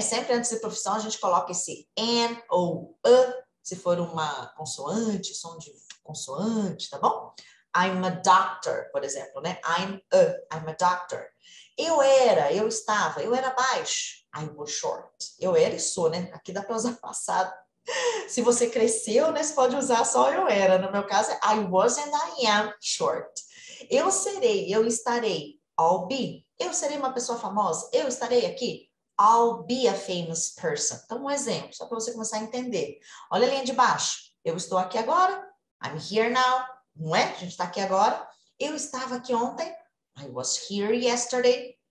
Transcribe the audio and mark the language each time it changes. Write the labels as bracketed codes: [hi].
[pt] Sempre antes de profissão, a gente coloca esse an ou a, se for uma consoante, som de consoante, tá bom? [en] I'm a doctor, [pt] por exemplo, né? [en] I'm a doctor. [pt] Eu era, eu estava, eu era baixo. [en] I was short. [pt] Eu era e sou, né? Aqui dá para usar passado. Se você cresceu, né? Você pode usar só eu era. No meu caso, é [en] I was and I am short. [pt] Eu serei, eu estarei. [en] I'll be. [pt] Eu serei uma pessoa famosa. Eu estarei aqui. [en] I'll be a famous person. [pt] Então, um exemplo, só para você começar a entender. Olha a linha de baixo. Eu estou aqui agora. [en] I'm here now. [pt] Não é? A gente está aqui agora. Eu estava aqui ontem. [en] I was here yesterday.